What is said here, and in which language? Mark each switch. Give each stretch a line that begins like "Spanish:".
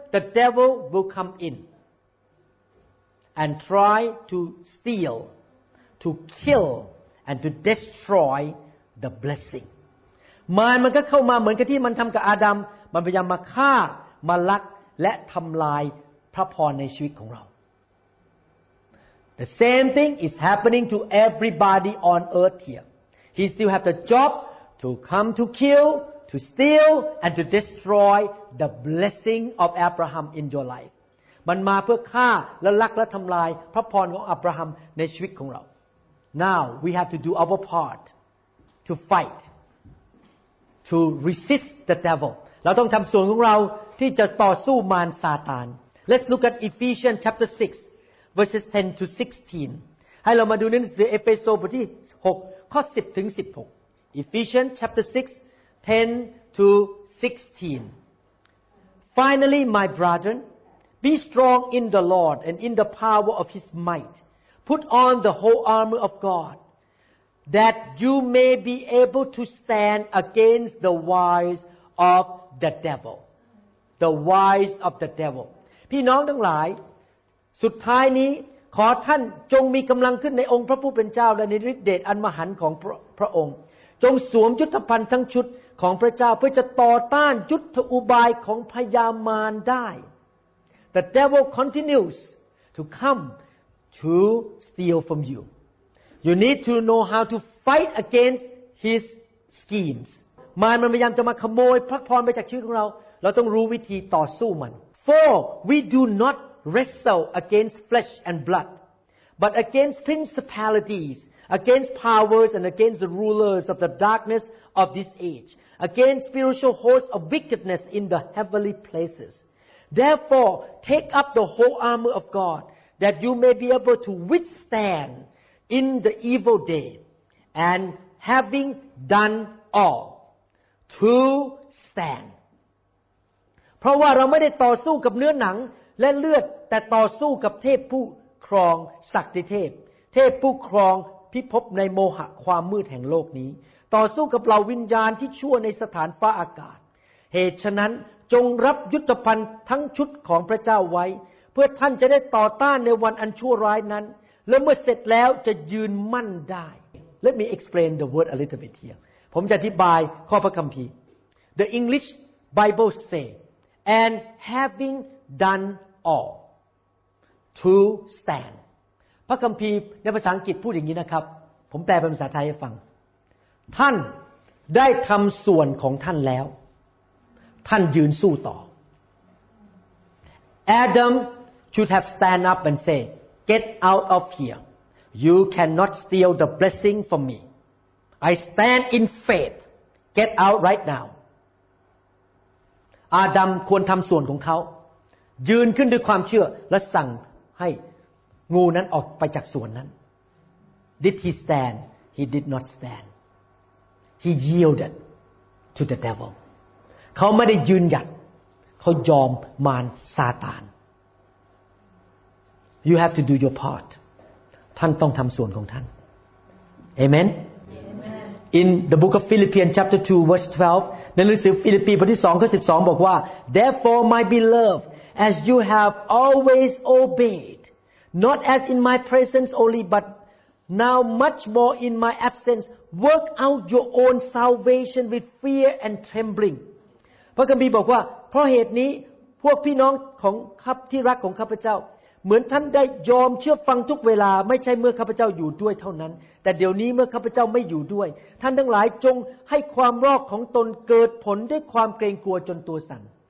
English: The devil will come in and try to steal, to kill, and to destroy the blessing.
Thai: มารมันก็เข้ามาเหมือนกับที่มันทำกับอาดัมมันพยายามมาฆ่ามาลักและทำลายพระพรในชีวิตของเรา
English: The same thing is happening to everybody on earth here. He still have the job to come to kill, to steal, and to destroy the blessing of Abraham in your life.
Thai: มันมาเพื่อฆ่าและลักและทำลายพระพรของอับราฮัมในชีวิตของเรา
English: Now we have to do our part to fight. To resist the devil.
Thai: เราต้องทำส่วนของเราที่จะต่อสู้มารซาตาน
English: Let's look at Ephesians chapter 6 verses 10 to 16.
Thai: ให้เรามาดูหนังสือเอเฟซโบทที่6ข้อ10ถึง16
English: Ephesians chapter 6 10 to 16. Finally, my brethren, be strong in the Lord and in the power of His might. Put on the whole armor of God. That you may be able to stand against the wiles of the devil. The wiles of the devil.
Thai: พี่น้องทั้งหลายสุดท้ายนี้ขอท่านจงมีกำลังขึ้นในองค์พระผู้เป็นเจ้าและในฤทธิ์เดชอันมหันต์ของพระองค์จงสวมยุทธภัณฑ์ทั้งชุดของพระเจ้าเพื่อจะต่อต้านยุทธอุบายของพยามารได้
English: The devil continues to come to steal from you. You need to know how to fight against his schemes.
Thai: มารมันพยายามจะมาขโมยพระพรไปจากชีวิตของเราเราต้องรู้วิธีต่อสู้มัน
English: For we do not wrestle against flesh and blood, but against principalities, against powers, and against the rulers of the darkness of this age, against spiritual hosts of wickedness in the heavenly places. Therefore, take up the whole armor of God, that you may be able to withstandIn the evil day, and having done all, to stand.
Thai: เพราะว่าเราไม่ได้ต่อสู้กับเนื้อหนังและเลือดแต่ต่อสู้กับเทพผู้ครองศักดิเทพเทพผู้ครองพิภพในโมหะความมืดแห่งโลกนี้ต่อสู้กับเหล่าวิญญาณที่ชั่วในสถานฟ้าอากาศเหตุฉะนั้นจงรับยุทธภัณฑ์ทั้งชุดของพระเจ้าไว้เพื่อท่านจะได้ต่อต้านในวันอันชั่วร้ายนั้นแล้วเมื่อเสร็จแล้วจะยืนมั่นได้
English: Let me explain the word a little bit here.
Thai: ผมจะอธิบายข้อพระคัมภีร์
English: The English Bible say, and having done all to stand.
Thai: พระคัมภีร์ในภาษาอังกฤษพูดอย่างนี้นะครับผมแปลเป็นภาษาไทยให้ฟังท่านได้ทำส่วนของท่านแล้วท่านยืนสู้ต่อ
English: Adam should have stand up and say,Get out of here. You cannot steal the blessing from me. I stand in faith. Get out right now.
Thai: Adam ควรทำส่วนของเขายืนขึ้นด้วยความเชื่อและสั่งให้งูนั้นออกไปจากสวนนั้น
English: Did he stand? He did not stand. He yielded to the devil.
Thai: เขาไม่ได้ยืนหยัดเขายอมมารซาตาน
English: You have to do your part.
Thai: ท่านต้องทำส่วนของท่าน Amen.
English: In the book of Philippians chapter 2 verse 12,
Thai: ในหนังสือฟิลิปปีบทที่2ข้อ12บอกว่า
English: Therefore, my beloved, as you have always obeyed, not as in my presence only, but now much more in my absence, work out your own salvation with fear and trembling.
Thai: พระคัมภีร์บอกว่าเพราะเหตุนี้พวกพี่น้องของข้าที่รักของข้าพเจ้าเหมือนท่านได้ยอมเชื่อฟังทุกเวลาไม่ใช่เมื่อข้าพเจ้าอยู่ด้วยเท่านั้นแต่เดี๋ยวนี้เมื่อข้าพเจ้าไม่อยู่ด้วยท่านทั้งหลายจงให้ความรอดของตนเกิดผลด้วยความเกรงกลัวจนตัวสั่น